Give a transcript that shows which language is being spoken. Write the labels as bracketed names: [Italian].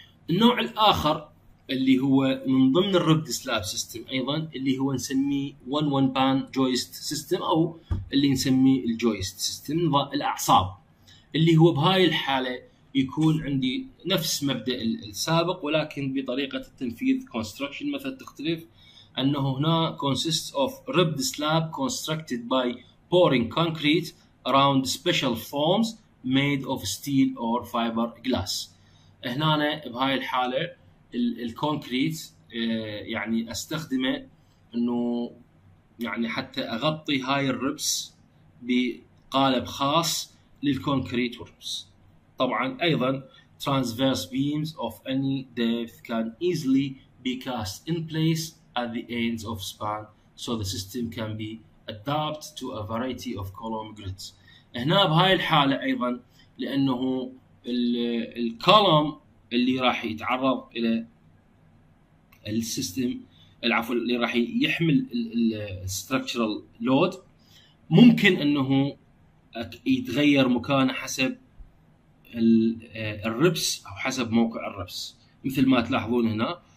[Arabic] النوع الآخر اللي هو من ضمن الربد سلاب سيستم ايضا، اللي هو نسميه 1-1 بان جويست سيستم، او اللي نسميه الجويست سيستم الاعصاب، اللي هو بهاي الحالة يكون عندي نفس مبدأ السابق، ولكن بطريقة التنفيذ construction مثلا تختلف، انه هنا [English] consists of ribbed slab constructed by pouring concrete around special forms made of steel or fiber glass. [Arabic] هنا بهاي الحالة الكونكريت يعني استخدمه انه يعني حتى اغطي هاي الربس بقالب خاص للكونكريت وربس. طبعا ايضا [English] transverse beams of any depth can easily be cast in place at the ends of span so the system can be adapt to a variety of column grids. [Arabic] هنا بهاي الحالة أيضا لأنه الكولوم اللي راح يتعرض إلى السيستم العفو اللي راح يحمل الستركتشرال لود ممكن انه يتغير مكانه حسب الربس او حسب موقع الربس مثل ما تلاحظون هنا.